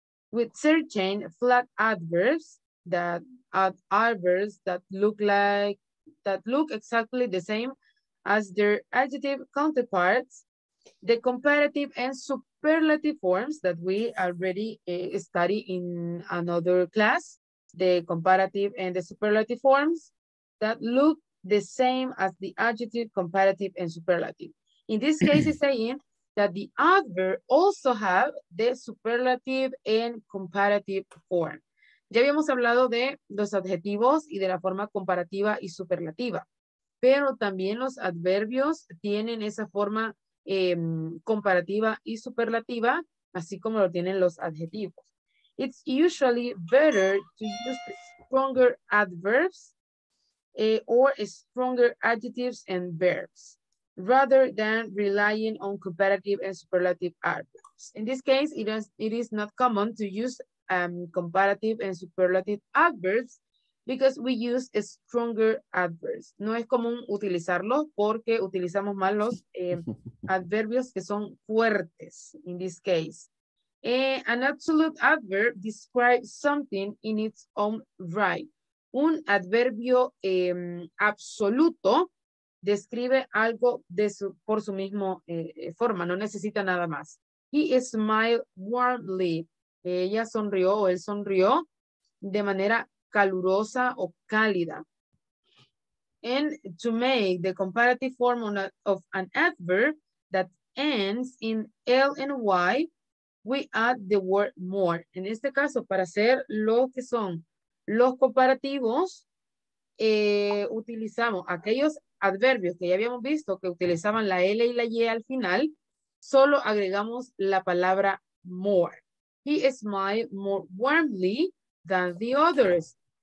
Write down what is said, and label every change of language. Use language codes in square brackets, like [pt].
[en] With certain flat adverbs, that adverbs that look exactly the same as their adjective counterparts, the comparative and superlative forms that we already study in another class, the comparative and the superlative forms that look the same as the adjective, comparative, and superlative. In this case, it's saying that the adverb also have the superlative and comparative form. [es] Ya habíamos hablado de los adjetivos y de la forma comparativa y superlativa, pero también los adverbios tienen esa forma comparativa y superlativa, así como lo tienen los adjetivos. [en] It's usually better to use stronger adverbs or stronger adjectives and verbs rather than relying on comparative and superlative adverbs. In this case, it is not common to use comparative and superlative adverbs because we use stronger adverbs. [es] No es común utilizarlos porque utilizamos más los adverbios que son fuertes [en] in this case. An absolute adverb describes something in its own right. [es] Un adverbio absoluto describe algo de su, por su mismo forma, no necesita nada más. [en] He smiled warmly. [es] Ella sonrió o él sonrió de manera calurosa o cálida. [en] And to make the comparative form of an adverb that ends in L and Y, we add the word more. [es] En este caso, para hacer lo que son los comparativos, utilizamos aquellos adverbios que ya habíamos visto que utilizaban la L y la Y al final, solo agregamos la palabra more. [en] He smiled more warmly than the others.